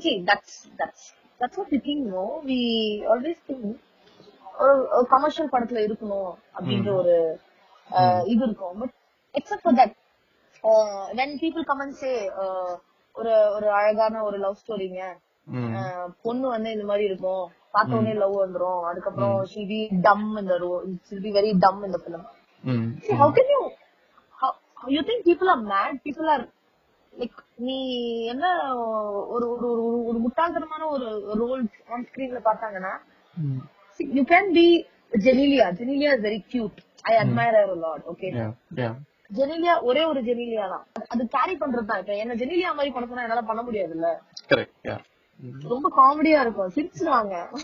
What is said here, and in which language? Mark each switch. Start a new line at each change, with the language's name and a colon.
English: that's what think no, we always think
Tamil: ஒரு commercial படத்துல இருக்கணும் அப்படின்ற ஒரு இது இருக்கும்.
English: but except for that, when people come and say
Tamil: ஒரு ஒரு அழகான ஒரு லவ் ஸ்டோரிங்க, பொண்ணு வந்து இந்த மாதிரி இருக்கும், பார்த்த உடனே லவ் வந்துரும், அதுக்கப்புறம்
English: she be dumb in the role, she be very dumb in the film. See, how can you, how you think people are mad? People are like,
Tamil: நீ என்ன ஒரு ஒரு ஒரு முட்டாள்தனமான ஒரு ரோல் ஆன் ஸ்கிரீன்ல பாத்தாங்கன்னா,
English: see, you can be Janelia. Janelia is very cute. I admire her a lot, okay? Yeah.
Tamil: Genelia ஒரே ஒரு ஜெனிலியா தான், அது கேரி பண்றது தான். என்ன ஜெனிலியா மாதிரி படத்தா என்னால பண்ண முடியாது இல்ல, ரொம்ப காமெடியா இருக்கும், சிரிச்சிருவாங்க.